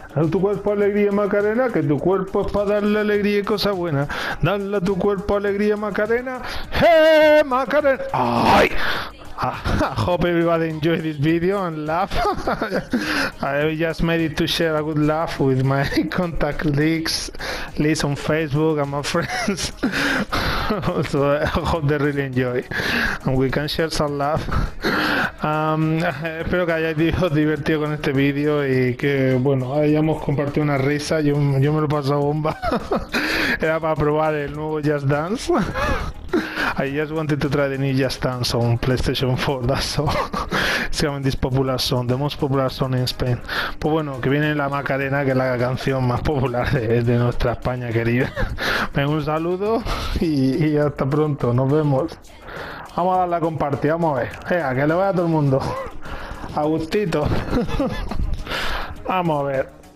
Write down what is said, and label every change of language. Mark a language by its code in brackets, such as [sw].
[es] tu cuerpo alegría, Macarena, que tu cuerpo es para darle alegría y cosas buenas. Dale a tu cuerpo alegría, Macarena. ¡Hey, Macarena! ¡Ay! [en] I hope everybody enjoy this video and laugh. I just made it to share a good laugh with my contact list on Facebook and my friends. So I hope they really enjoy and we can share some laugh. [es] Espero que hayáis divertido con este video y que, bueno, hayamos compartido una risa. Yo me lo he pasado bomba. Era para probar el nuevo Just Dance. [en] I just wanted to try the new Just Dance on PlayStation 4, that's all. It's this popular song, the most popular song in Spain. [es] Pues bueno, que viene la Macarena, que es la canción más popular de nuestra España querida. Un saludo y hasta pronto, nos vemos. Vamos a darle a compartir, vamos a ver. Venga, que le vaya a todo el mundo. A gustito. Vamos a ver.